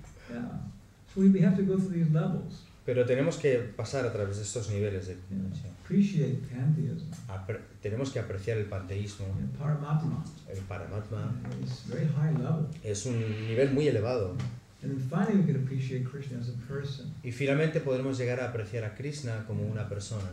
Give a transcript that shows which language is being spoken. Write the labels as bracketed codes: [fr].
[en] Yeah. So we have to go through these levels. [es] Pero tenemos que pasar a través de estos niveles de [en] appreciate pantheism. [es] Tenemos que apreciar el panteísmo. [en] Paramatma. [es] El Paramatma. [en] It's very high level. [es] Es un nivel muy elevado. [en] And then finally we can appreciate Krishna as a person. [es] Y finalmente podremos llegar a apreciar a Krishna como una persona.